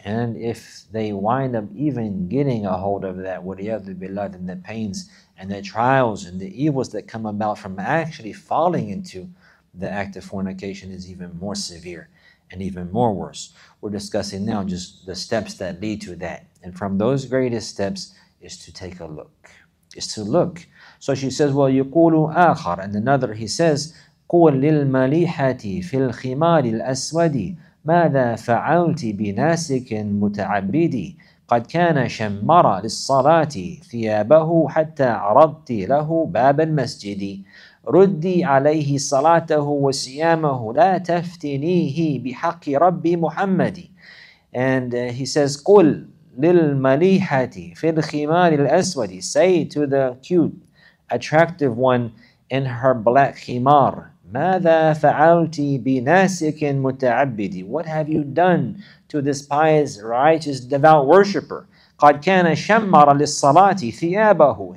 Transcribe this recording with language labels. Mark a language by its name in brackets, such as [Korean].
[English] And if they wind up even getting a hold of that, [Arabic] وَلِيَذُ بِاللَّهِ, [English] then the pains and the trials and the evils that come about from actually falling into the act of fornication is even more severe and even more worse. We're discussing now just the steps that lead to that. And from those greatest steps is to take a look. Is to look. So she says, well, [Arabic] يَقُولُ آخَرَ. [English] And another, he says, [Arabic] قُلْ لِلْمَلِيحَةِ فِي الْخِمَارِ الْأَسْوَدِ مَاذَا فَعَلْتِ بِنَاسِكٍ مُتَعَبِّدِي قَدْ كَانَ شَمَّرَ لِلصَّلَاةِ ثِيَابَهُ حَتَّى عَرَضْتِ لَهُ بَابَ الْمَسْجِدِ رُدِّي عَلَيْهِ صَلَاتَهُ وَسِيَامَهُ لَا تَفْتِنِيهِ بِحَقِّ رَبِّي مُحَمَّدِ. [English] And he says, [Arabic] قُلْ لِلْمَلِيحَةِ فِي الْخِمَارِ الْأَسْوَدِ. [English] Say to the cute, attractive one in her black khimar, [Arabic] مَاذَا فَعَلْتِ بِنَاسِكٍ مُتَعَبِّدِ. [English] What have you done to this pious, righteous, devout worshipper? [Arabic] قَدْ كَانَ شَمَّرَ لِلصَّلَاةِ ثِيَابَهُ.